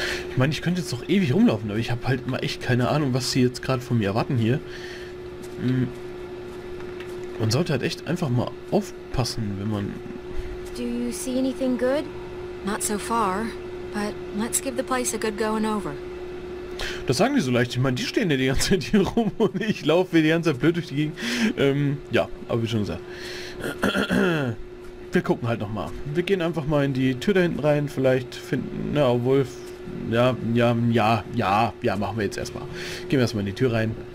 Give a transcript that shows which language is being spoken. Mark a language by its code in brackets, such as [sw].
[de] Ich meine, ich könnte jetzt noch ewig rumlaufen, aber ich habe halt mal echt keine Ahnung, was sie jetzt gerade von mir erwarten hier. Man sollte halt echt einfach mal aufpassen, wenn man... [en] Do you see anything good? Not so far, but let's give the place a good going over. [de] Das sagen die so leicht. Ich meine, die stehen ja die ganze Zeit hier rum und ich laufe hier die ganze Zeit blöd durch die Gegend. Ja, aber wie schon gesagt. Wir gucken halt nochmal. Wir gehen einfach mal in die Tür da hinten rein. Vielleicht finden... Na, obwohl... Ja, machen wir jetzt erstmal. Gehen wir erstmal in die Tür rein.